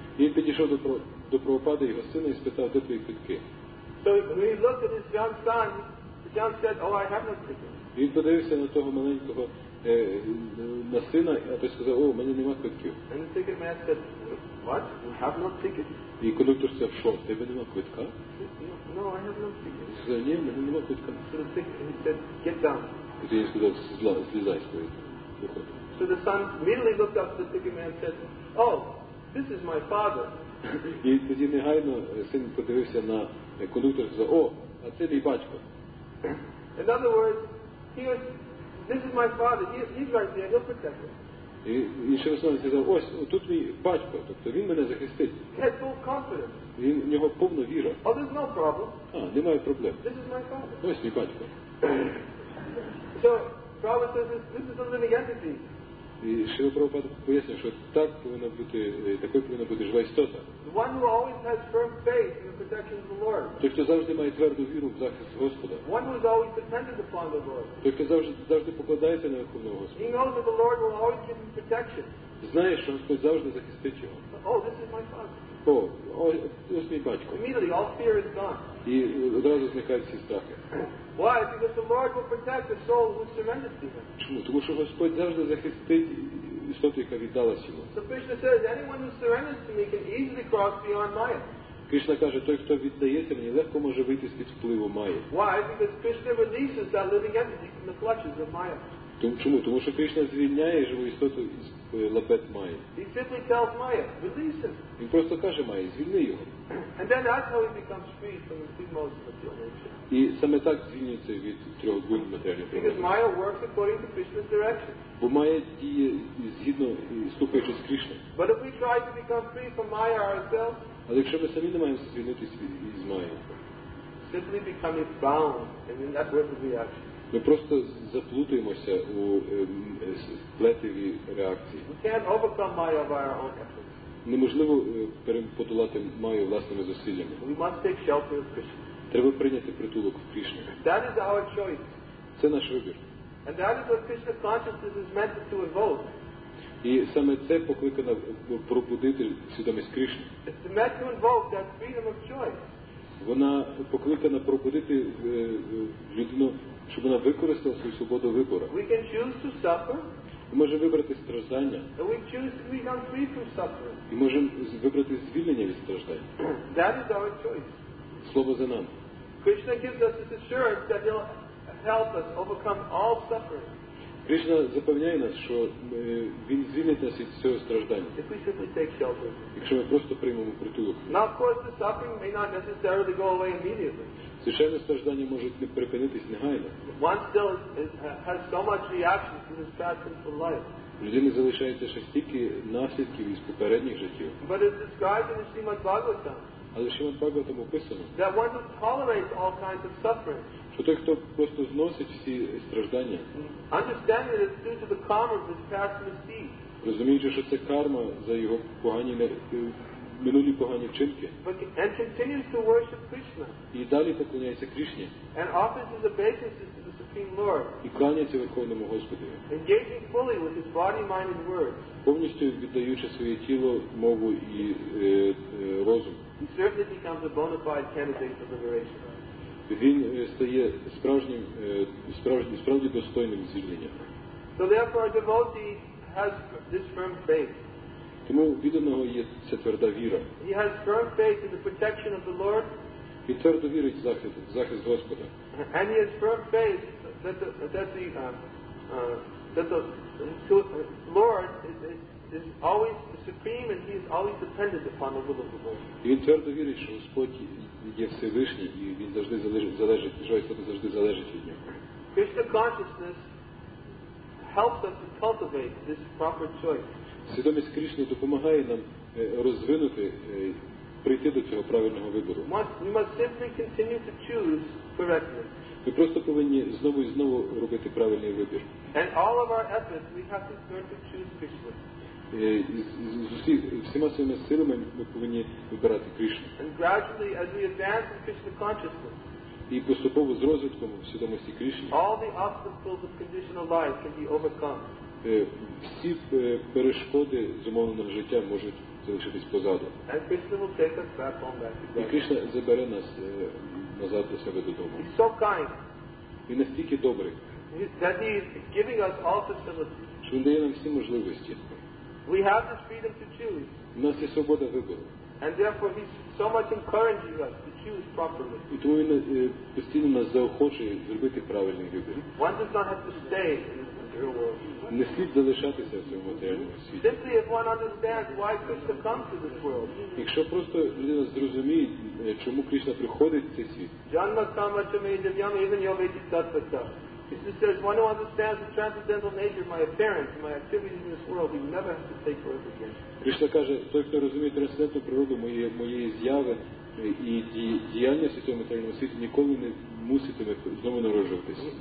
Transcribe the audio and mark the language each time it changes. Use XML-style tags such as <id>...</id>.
<uk>І він підійшов до Прабхупади, його сина, і спитав, "Де твої квитки?"</uk> <en>So when he looked at his young son, the young said, "Oh, I have no ticket."</en> <uk>Він подивився на того маленького на сина, а той сказав, "О, у мене нема квитків."</uk> <en>And the ticket man said, "What? You have no ticket?"</en> <uk>І кондуктор сказав, що, тебе нема квитка?</uk> <en>No, I have no ticket.</en> <uk>Сказав, ні, в мене нема квитка.</uk> <en>So the ticket, he said, get down.</en> <uk>Тоді він сказав, злізай з квитка.</uk> <en>So the son immediately looked up to the ticket man and said, oh, this is my father.</en> <uk>І тоді негайно син подивився на кондуктора і сказав, о, а це мій батько.</uk> <en>In other words, this is my father, he's right there, he'll protect me.</en> <uk>І інший основний сказав, ось, тут мій батько, тобто він мене захистить.</uk> <en>He had full confidence.</en> <uk>Він, в нього повна віра.</uk> <en>Oh, there's no problem.</en> <uk>А, немає проблем.</uk> <en>This is my father.</en> <uk>Ось мій батько.</uk> <en>So, Prabhupada says, this is a living entity.</en> <uk>І Шріла Прабхупада пояснює, що так повинна бути, такою повинна бути жива істота.</uk> <en>The one who always has firm faith in the protection of the Lord.</en> <uk>Той, хто завжди має тверду віру в захист Господа.</uk> <en>The one who is always dependent upon the Lord.</en> <uk>Той, хто завжди покладається на Верховного Господа.</uk> <en>He knows that the Lord will always give him protection.</en> <uk>Знає, що Господь завжди захистить його.</uk> <en>Oh, this is my father.</en> <uk>О, ось мій батько.</uk> <en>Immediately, all fear is gone.</en> <uk>І одразу зникають всі страхи.</uk> <en>Why? Because the Lord will protect the soul who surrenders to him.</en> <uk>Чому? Тому що Господь завжди захистить істоту, яка віддалась йому.</uk> <en>So Krishna says, anyone who surrenders to me can easily cross beyond Maya.</en> <uk>Кришна каже, той, хто віддається мені, легко може вийти з-під впливу Майя.</uk> <en>Why? Because Krishna releases that living entity from the clutches of Maya.</en> <uk>Чому? Тому що Кришна звільняє живу істоту з лабет Майя.</uk> <en>He simply tells Maya, release him.</en> <uk>Він просто каже Майя, звільни його.</uk> <en>And then that's how he becomes free from the three modes of material nature.</en> <uk>І саме так звільнюється від трьох груп матеріальних проблем.</uk> <en>Because Maya works according to Krishna's direction.</en> <uk>Бо Майя діє згідно, ступаючи з Кришною.</uk> <en>But if we try to become free from Maya ourselves,</en> <uk>але якщо ми самі не маємо звільнитися із Майя,</uk> <en>simply becoming bound and in that work of reaction.</en> <uk>Ми просто заплутуємося у плетиві реакції.</uk> <en>We can't overcome Maya by our own efforts.</en> <uk>Неможливо подолати Майю власними зусиллями.</uk> <en>We must take shelter of Krishna.</en> <uk>Треба прийняти притулок в Кришні.</uk> <en>That is our choice.</en> <uk>Це наш вибір.</uk> <en>And that is what Krishna consciousness is meant to evoke.</en> <uk>І саме це покликано пробудити свідомість Кришні.</uk> <en>It's meant to evoke that freedom of choice.</en> <uk>Вона покликана пробудити людину, щоб вона використала свою свободу вибору.</uk> <en>We can choose to suffer.</en> <uk>Ми можемо вибрати страждання.</uk> <en>We choose to become free from suffering.</en> <uk>І можемо вибрати звільнення від страждань.</uk> <en>That is our choice.</en> <uk>Слово за нам.</uk> <en>Krishna gives us this assurance that he'll help us overcome all suffering.</en> <uk>Кришна запевняє нас, що він звільнить нас від цього страждання.</uk> <en>If we simply take shelter.</en> <uk>Якщо ми просто приймемо притулок.</uk> <en>Now, of course, the suffering may not necessarily go away immediately.</en> <uk>Звичайно, страждання можуть не припинитись негайно.</uk> <en>One still has so much reaction to this past sinful life.</en> <uk>Людині залишається ще стільки наслідків із попередніх життів.</uk> <en>But it's described in the Srimad Bhagavatam.</en> <uk>але в Шримад Бхагаватам описано,</uk> <en>that one who tolerates all kinds of suffering,</en> <uk>що той, хто просто зносить всі страждання,</uk> <en>understanding that it's due to the karma of his past misdeeds,</en> <uk>розуміючи, що це карма за його погані минулі погані вчинки,</uk> <en>and continues to worship Krishna,</en> <uk>і далі поклоняється Кришні,</uk> <en>and offers his obeisances to the Supreme Lord,</en> <uk>і кланяється Верховному Господу,</uk> <en>engaging fully with his body, mind and words,</en> <uk>повністю віддаючи своє тіло, мову і розум,</uk> <en>he certainly becomes a bona fide candidate for liberation.</en> <uk>Він стає справді достойним звільнення.</uk> <en>So therefore, a devotee has this firm faith.</en> <uk>Тому відданого є ця тверда віра.</uk> <en>He has firm faith in the protection of the Lord.</en> <uk>Він твердо вірить в захист Господа.</uk> <en>And he has firm faith that the Lord is always supreme, and he is always dependent upon the will of the Lord.</en> <uk>І він твердо вірить, що Господь є Всевишній, і він завжди залежить, Живе Істота завжди залежить від нього.</uk> <en>Krishna consciousness helps us to cultivate this proper choice.</en> <uk>Свідомість Кришни допомагає нам розвинути, прийти до цього правильного вибору.</uk> <en>We must simply continue to choose correctly.</en> <uk>Ми просто повинні знову і знову робити правильний вибір.</uk> <en>And all of our efforts, we have to learn to choose Krishna.</en> <uk>Всіма своїми силами ми повинні вибирати Кришну.</uk> <en>And gradually, as we advance in Krishna consciousness,</en> <uk>і поступово з розвитком в свідомості Кришни,</uk> <en>all the obstacles of conditional life can be overcome.</en> <uk>Всі перешкоди зумовленого життя можуть залишитись позаду.</uk> <en>And Krishna will take us back home back again.</en> <uk>І Кришна забере нас назад до себе додому.</uk> <en>He's so kind.</en> <uk>Він настільки добрий.</uk> <en>That he is giving us all facilities.</en> <uk>Що він дає нам всі можливості.</uk> <en>We have the freedom to choose.</en> <uk>У нас є свобода вибору.</uk> <en>And therefore he's so much encouraging us to choose properly.</en> <uk>І тому він постійно нас заохочує зробити правильний вибір.</uk> <en>One does not have to stay in this material world.</en> <uk>Не слід залишатися в цьому матеріальному світі.</uk> <en>Simply if one understands why Krishna comes to this world.</en> <uk>Якщо просто людина зрозуміє, чому Кришна приходить в цей світ.</uk> <sa>Janma kama cha me devyam even yo vedi tattvata.</sa> <en>Krishna says, one who understands the transcendental nature of my appearance and my activities in this world, he never has to take birth again.</en> <uk>Krishna каже, той, хто розуміє трансцендентну природу моєї з'яви і діяння в цьому матеріальному світі, ніколи не муситиме знову народжуватись.</uk>